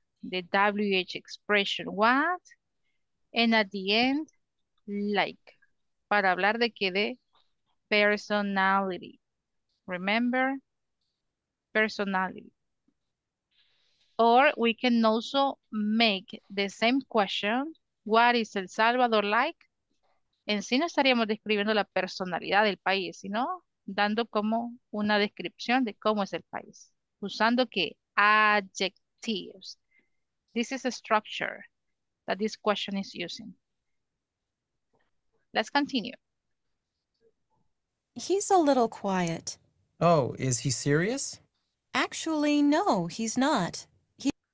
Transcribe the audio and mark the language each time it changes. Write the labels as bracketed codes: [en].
[en] The WH expression, what? And at the end, like. [es] Para hablar de qué, de personality. [en] Remember, personality. Or we can also make the same question, what is El Salvador like? [es] En sí no estaríamos describiendo la personalidad del país, sino dando como una descripción de cómo es el país. Usando qué, adjectives. [en] This is a structure that this question is using. Let's continue. He's a little quiet. Oh, is he serious? Actually, no, he's not. He